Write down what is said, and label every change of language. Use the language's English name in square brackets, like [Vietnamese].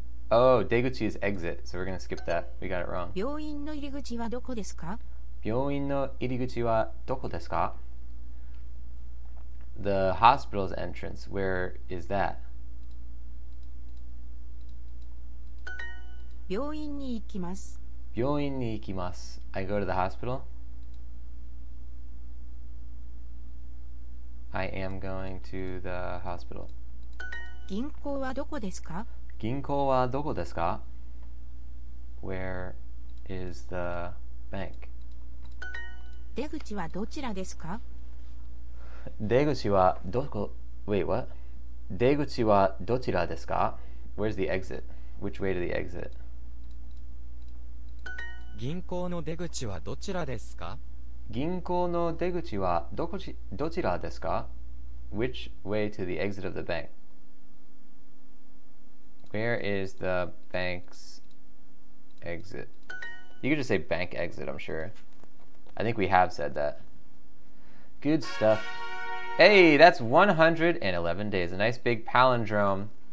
[English] Oh, 出口 is exit, so we're going to skip that. We got it wrong. [Japanese] 病院の入り口はどこですか? 病院の入り口はどこですか? [English] The hospital's entrance, where is that? [Japanese] 病院に行きます。病院に行きます。 [English] I go to the hospital. I am going to the hospital. [Japanese] 銀行はどこですか? 銀行はどこですか? [English] Where is the bank? [Japanese] 出口はどちらですか? 出口はどこ? [English] Wait, what? [Japanese] 出口はどちらですか? [English] Where's the exit? Which way to the exit? [Japanese] 銀行の出口はどちらですか? 銀行の出口はどちらですか? [English] Which way to the exit of the bank? Where is the bank's exit? You could just say bank exit, I'm sure. I think we have said that. Good stuff. Hey, that's 111 days. A nice big palindrome.